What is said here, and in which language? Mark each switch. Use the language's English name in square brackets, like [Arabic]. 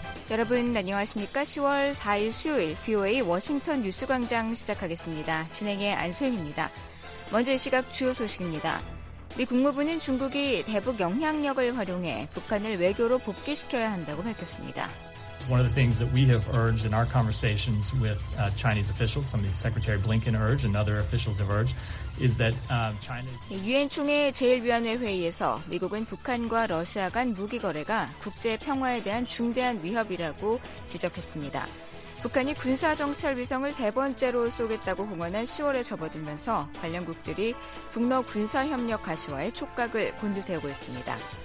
[Korean] 여러분 안녕하십니까? 10월 4일 수요일 VOA 워싱턴 뉴스 광장 시작하겠습니다. 진행의 안소영입니다. 먼저 이 시각 주요 소식입니다. 미 국무부는 중국이 대북 영향력을 활용해 북한을 외교로 복귀시켜야 한다고 밝혔습니다. [English] One of the things that we have urged in our conversations with Chinese officials, some of the Secretary Blinken urged and other officials have urged, is that China. [Korean] 유엔 총회 제1위원회 회의에서 미국은 북한과 러시아 간 무기 거래가 국제 평화에 대한 중대한 위협이라고 지적했습니다. 북한이 군사 정찰 위성을 세 번째로 쏘겠다고 공언한 10월에 접어들면서 관련국들이 북러 군사 협력 가시화에 촉각을 곤두세우고 있습니다.